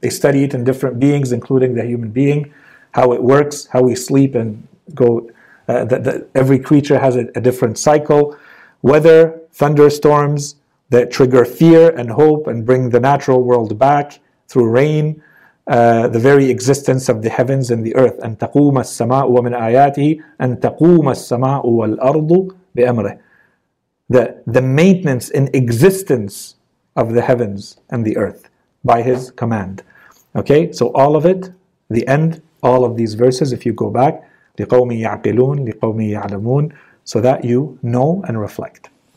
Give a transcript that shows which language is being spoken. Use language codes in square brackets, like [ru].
[en] They study it in different beings, including the human being, how it works, how we sleep and go, every creature has a different cycle. Weather, thunderstorms that trigger fear and hope and bring the natural world back through rain, the very existence of the heavens and the earth. [ar] أن تقوم السماء ومن آياته أن تقوم السماء والأرض بأمره. [en] The maintenance and existence of the heavens and the earth by his command. Okay, so all of it, the end, all of these verses, if you go back, [ar] لقوم يعقلون لقوم يعلمون, [en] so that you know and reflect.